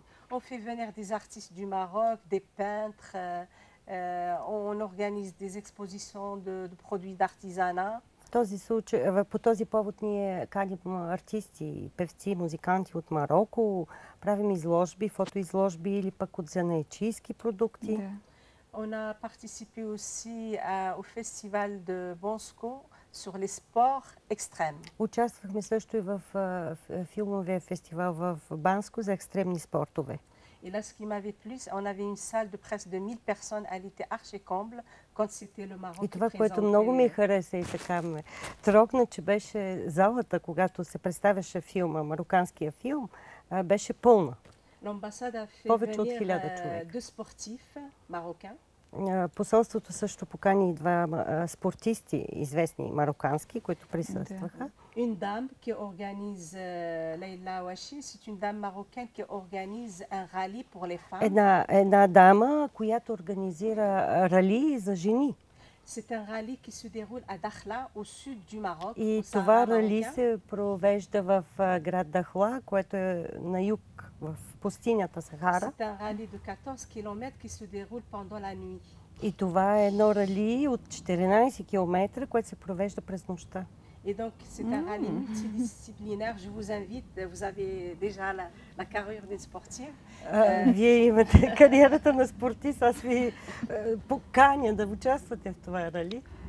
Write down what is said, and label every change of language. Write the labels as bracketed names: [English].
[French] On fait venir des artistes du Maroc, des peintres, on organise des expositions de produits d'artisanat. [Bulgarian] По този повод ние каним артисти, певци, музиканти от Марокко, правим изложби, фотоизложби или пък от занаятчийски продукти. [French] On a participé aussi au festival de Bosco sur les sports extrêmes. [Bulgarian] Участвахме също и в филмовия фестивал в Банско за екстремни спортове. [French] Et là, ce qui m'avait plu, on avait une salle de presse de 1000 personnes, elle était archi-comble, quand c'était le Maroc. [Bulgarian] И това, което много ми хареса и така ме трогна, че беше залата, когато се представяше филма, марокканския филм, беше пълна. [French] L'ambassade a fait venir deux sportifs marocains. [Bulgarian] Посолството също покани два спортисти, известни марокански, които присъстваха. [French] Une dame qui organise Leila Ouachi, c'est une dame marocaine qui organise un rallye pour les femmes. [Bulgarian] Една дама, която организира рали за жени. [French] C'est un rallye qui se déroule à Dakhla, au sud du Maroc. [Bulgarian] И това рали се провежда в град Дахла, което е на юг в пустинята Сахара. [French] C'est un rallye de 14 km qui se déroule pendant la nuit. [Bulgarian] И това е едно рали от 14 км, което се провежда през нощта. [French] Et donc c'est un rallye multidisciplinaire. Je vous invite, vous avez déjà la carrière des sportifs. [Bulgarian] Вие имате кариерата на спортист, аз ви поканя да участвате в това рали.